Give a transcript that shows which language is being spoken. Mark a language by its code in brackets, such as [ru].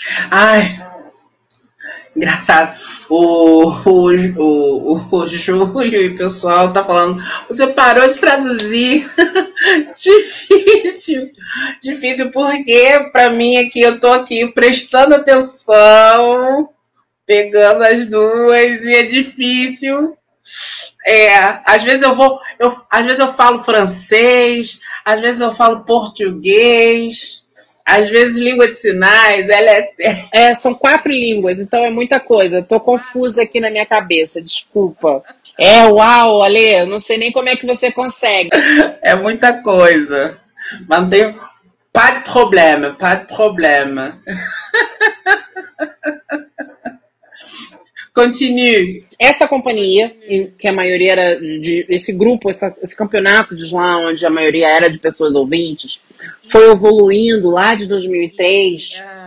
[pt] Ai, engraçado, o Júlio e o pessoal tá falando, você parou de traduzir, difícil, porque para mim aqui, eu tô aqui prestando atenção, pegando as duas e é difícil, às vezes eu falo francês, às vezes eu falo português, Às vezes, língua de sinais, ela é séria. É, são quatro línguas, então é muita coisa. Estou confusa aqui na minha cabeça, desculpa. É, uau, Ale, eu não sei nem como é que você consegue. É muita coisa. Mas não tem... [fr] Pas de problème, pas de problème. Continue. [pt] Essa companhia, que a maioria era de... Esse grupo, esse campeonato de slam, onde a maioria era de pessoas ouvintes, foi evoluindo lá de 2003.